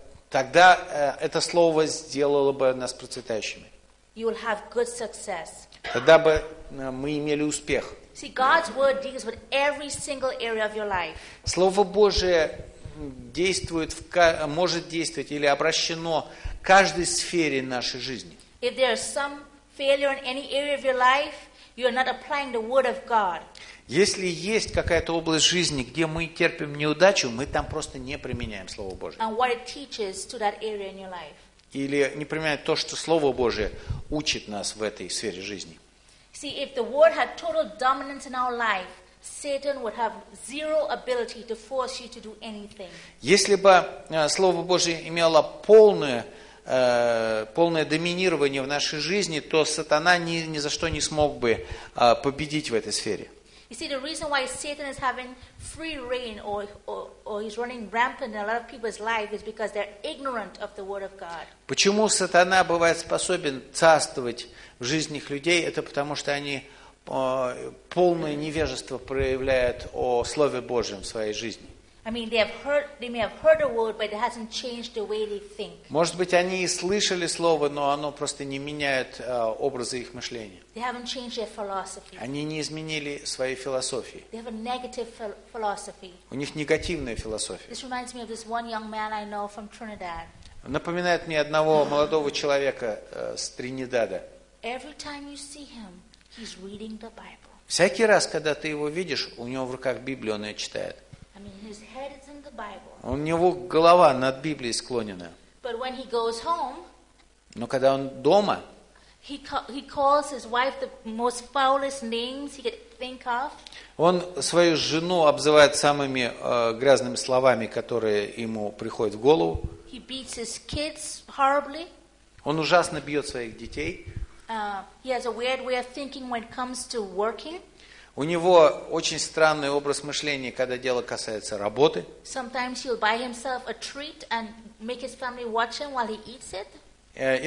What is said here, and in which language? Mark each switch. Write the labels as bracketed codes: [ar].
[ru] Тогда это слово сделало бы нас процветающими. [en] You will have good success. [ru] Тогда бы мы имели успех. [en] See, God's word deals with every single area of your life. [ru] Слово Божие действует, может действовать или обращено к каждой сфере нашей жизни. [en] If there is some failure in any area of your life, you are not applying the word of God. [ru] Если есть какая-то область жизни, где мы терпим неудачу, мы там просто не применяем Слово Божие. [en] And what it teaches to that area in your life. [ru] Или не применяем то, что Слово Божие учит нас в этой сфере жизни. [en] See, if the word had total dominance in our life, Satan would have zero ability to force you to do anything. [ru] Если бы Слово Божие имело полное доминирование в нашей жизни, то сатана ни за что не смог бы победить в этой сфере. [en] You see, the reason why Satan is having free reign or he's running rampant in a lot of people's lives is because they're ignorant of the word of God. [ru] Почему сатана бывает способен царствовать в жизнях людей, это потому что они полное невежество проявляют о Слове Божьем в своей жизни. [en] I mean, they may have heard a word, but it hasn't changed the way they think. [ru] Может быть, они и слышали слово, но оно просто не меняет образы их мышления. [en] They haven't changed their philosophy. [ru] Они не изменили своей философии. [en] They have a negative philosophy. [ru] У них негативная философия. [en] This reminds me of this one young man I know from Trinidad. [ru] Напоминает мне одного молодого человека с Тринидада. [en] Every time you see him, he's reading the Bible. [ru] Всякий раз, когда ты его видишь, у него в руках Библию, он ее читает. [en] I mean, his head is in the Bible. [ru] У него голова над Библией склонена. [en] But when he goes home, [ru] но когда он дома, [en] he calls his wife the most foulest names he could think of. [ru] Он свою жену обзывает самыми грязными словами, которые ему приходят в голову. [en] He beats his kids horribly. [ru] Он ужасно бьет своих детей. [en] He has a weird way of thinking when it comes to working. [ru] У него очень странный образ мышления, когда дело касается работы. [en] Sometimes he'll buy himself a treat and make his family watch him while he eats it.